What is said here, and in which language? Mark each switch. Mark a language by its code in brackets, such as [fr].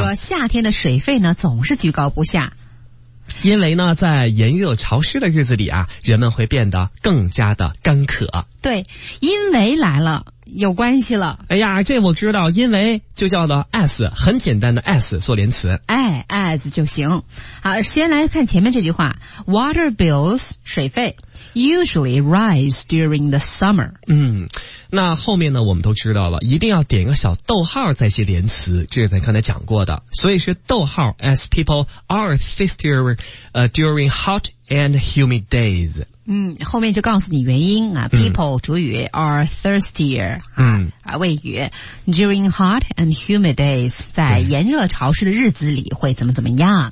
[zh] 说夏天的水费呢总是居高不下，因为呢在炎热潮湿的日子里啊，人们会变得更加的干渴。对，因为来了有关系了。哎呀，这我知道，因为就叫做 as, 很简单的 as 做连词。哎， as 就行。好，先来看前面这句话， [en] water bills, [zh] 水费 [en] usually rise during the summer。 [zh] 那后面呢我们都知道了，一定要点一个小逗号再写连词，这是咱刚才讲过的，所以是逗号 [en] as people are thirsty during hot and humid days。 [zh] 后面就告诉你原因啊， people 主语 [en] are thirstier, [zh] 谓语 [en] during hot and humid days, [zh] 在炎热潮湿的日子里会怎么怎么样。